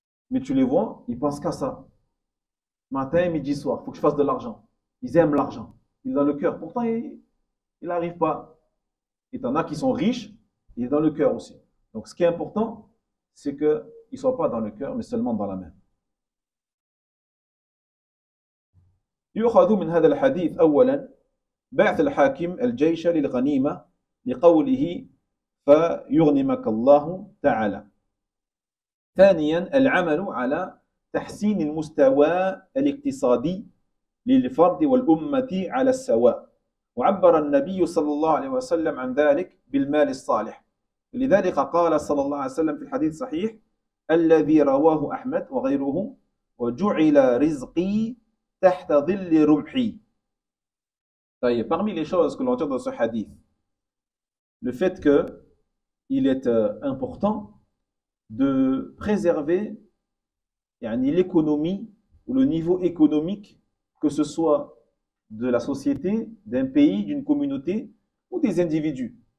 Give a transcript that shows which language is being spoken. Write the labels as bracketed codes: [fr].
[fr] Mais tu les vois, ils pensent qu'à ça. Matin, midi, soir, il faut que je fasse de l'argent. Ils aiment l'argent. Ils l'ont dans le cœur. Pourtant, ils n'arrivent pas. Et t'en as qui sont riches, il est dans le cœur aussi. Donc ce qui est important, c'est qu'ils ne soient pas dans le cœur, mais seulement dans la main. [ar] يؤخذ من هذا الحديث أولا بعث الحاكم الجيش للغنيمة لقوله فيغنمك الله تعالى. ثانيا العمل على تحسين المستوى الاقتصادي للفرد والأمة على السواء. وعبر النبي صلى الله عليه وسلم عن ذلك بالمال الصالح. لذلك قال صلى الله عليه وسلم في الحديث الصحيح الذي رواه أحمد وغيره وجعل رزقي تحت ظل رمحي. [fr] طيب parmi les choses que l'on tire de ce hadith, le fait que il est important de préserver يعني l'économie ou le niveau économique que ce soit de la société, d'un pays, d'une communauté ou des individus.